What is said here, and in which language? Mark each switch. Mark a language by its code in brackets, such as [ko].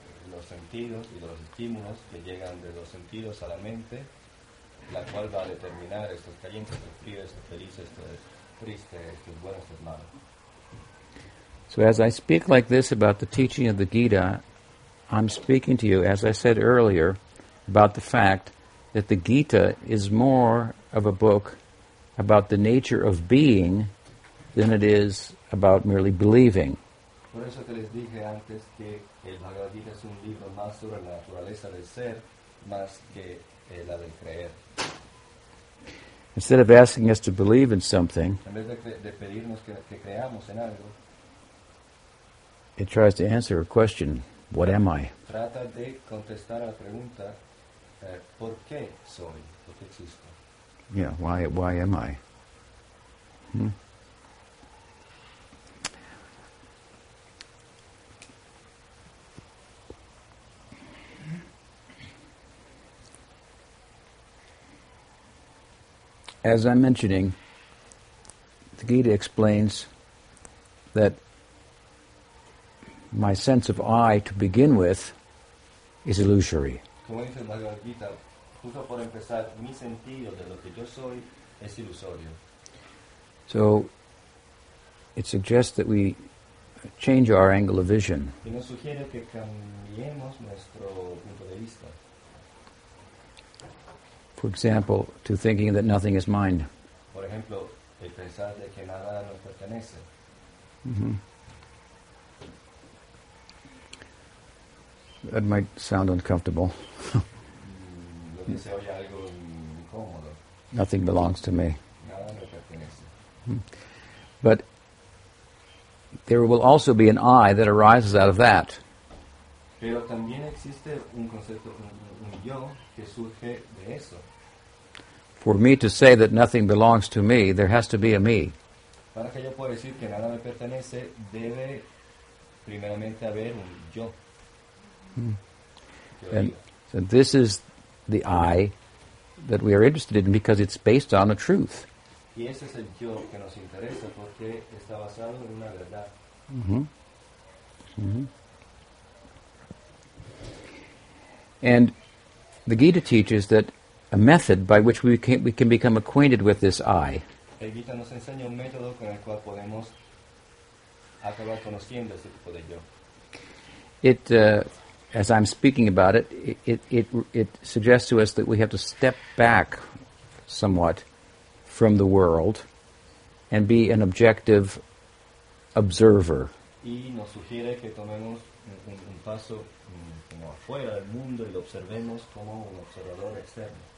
[es] Los sentidos y los estímulos que llegan de los sentidos a la mente, la cual va a determinar estos calientes, estos fríos, estos felices, estos tristes, estos buenos, estos malos. [en] So as I speak like this about the teaching of the Gita, I'm speaking to you, as I said earlier, about the fact that the Gita is more of a book about the nature of being than it is about merely believing. [es] Por eso que les dije antes que el Bhagavad Gita es un libro más sobre la naturaleza del ser más que la del creer. [en] Instead of asking us to believe in something, [es] en vez de pedirnos que creamos en algo, [en] it tries to answer a question, what am I? [es] Trata de contestar a la pregunta, ¿por qué soy? ¿Por qué existo? [en] Yeah, why am I? As I'm mentioning, the Gita explains that my sense of I, to begin with, is illusory. [es] Como dice el Bhagavad Gita, justo por empezar, mi sentido de lo que yo soy es ilusorio. [en] So, it suggests that we change our angle of vision. [es] Y nos sugiere que cambiemos nuestro punto de vista. [en] For example, to thinking that nothing is mine. [es] Por ejemplo, el pensar de que nada nos pertenece. [en] Mm-hmm. That might sound uncomfortable. [es] Lo que se oye algo incómodo. [en] Nothing belongs to me. [es] Nada nos pertenece. [en] But there will also be an I that arises out of that. [es] Pero también existe un concepto, un yo, que surge de eso. [en] For me to say that nothing belongs to me, there has to be a me. [es] Para que yo pueda decir que nada me pertenece, debe primeramente haber un yo. [en] And this is the I that we are interested in because it's based on a truth. [es] Y ese es el yo que nos interesa porque está basado en una verdad. [en] And the Gita teaches that a method by which we can become acquainted with this I. [es] El Gita nos enseña un método con el cual podemos acabar conociendo ese tipo de yo. [en] It, as I'm speaking about it, it suggests to us that we have to step back somewhat from the world and be an objective observer. [es] Y nos sugiere que tomemos un paso como afuera del mundo y lo observemos como un observador externo.